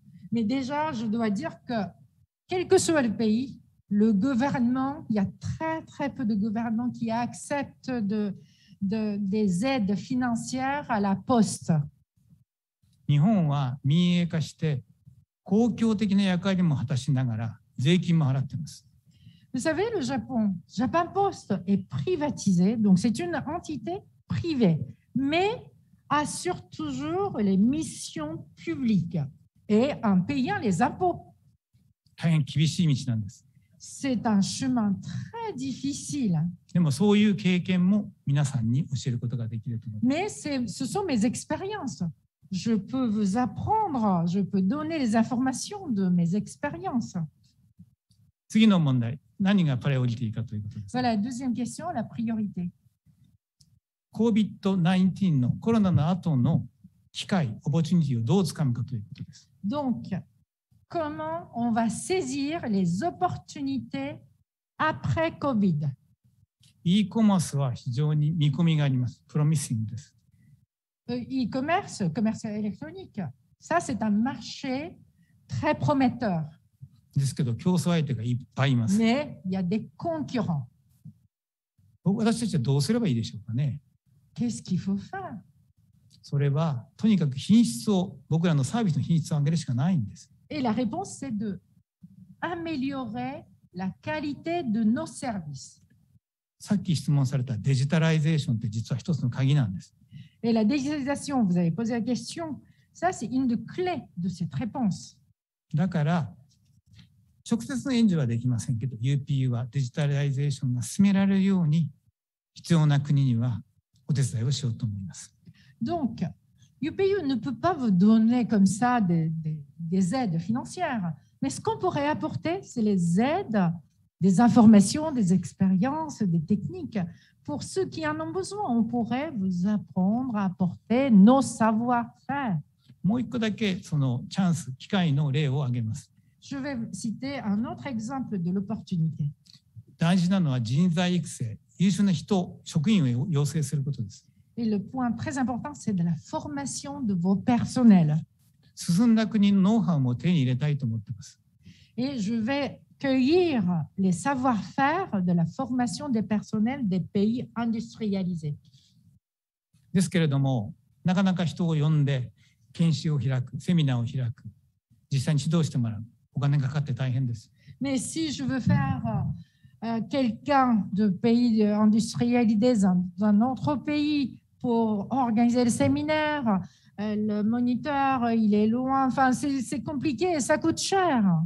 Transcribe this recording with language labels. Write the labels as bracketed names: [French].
[French] Mais déjà, je dois dire que quel que soit le pays, le gouvernement, il y a très très peu de gouvernements qui acceptent des aides financières à la poste. [Japanese] 日本は民営化して公共的な役割も果たしながら税金も払っています。 [French] Vous savez, le Japon, Japan Post est privatisé, donc c'est une entité privée, mais assure toujours les missions publiques et en payant les impôts. [Japanese] 大変厳しい道なんです。 [French] C'est un chemin très difficile. [Japanese] でもそういう経験も皆さんに教えることができると思います。 [French] Mais ce sont mes expériences. Je peux vous apprendre, je peux donner les informations de mes expériences. [Japanese] 次の問題、何がプライオリティかということです。 [French] Voilà, deuxième question, la priorité. [Japanese] COVID-19 のコロナの後の機会、オポチュニティをどうつかむかということです。 [French] Donc,comment on va saisir les opportunités après COVID? [Japanese] E-commerce は非常に見込みがあります。 Promising です。 [French] E-commerce, commerce électronique, ça c'est un marché très prometteur. [Japanese] ですけど競争相手がいっぱいいます。 [French] Mais il y a des concurrents. [Japanese] 私たちはどうすればいいでしょうかね。 [French] Qu'est-ce qu'il faut faire? [Japanese] それはとにかく品質を、僕らのサービスの品質を上げるしかないんです。 [French] Et la réponse, c'est de améliorer la qualité de nos services. [Japanese] さっき質問されたデジタライゼーションって実は一つの鍵なんです。 [French] Et la digitalisation, vous avez posé la question, ça c'est une des clés de cette réponse. [Japanese] だから、直接の援助はできませんけど、UPU はデジタライゼーションが進められるように必要な国にはお手伝いをしようと思います。 [French] Donc, UPU ne peut pas vous donner comme ça des aides financières. Mais ce qu'on pourrait apporter, c'est les aides, des informations, des expériences, des techniques. Pour ceux qui en ont besoin, on pourrait vous apprendre à apporter nos savoir-faire. [Japanese] もう一個だけそのチャンス、機会の例を挙げます。 [French] Je vais citer un autre exemple de l'opportunité. [Japanese] 大事なのは人材育成、優秀な人、職員を養成することです。 [French] Et le point très important, c'est de la formation de vos personnels. [Japanese] 進んだ国のノウハウも手に入れたいと思っています。 [French] Et je vais cueillir les savoir-faire de la formation des personnels des pays industrialisés. [Japanese] ですけれども、なかなか人を呼んで研修を開く、セミナーを開く、実際に指導してもらう、お金がかかって大変です。 [French] Mais si je veux faire quelqu'un de pays industrialisés dans un autre pays pour organiser le séminaire,Le moniteur, il est loin. Enfin, c'est compliqué, ça coûte cher.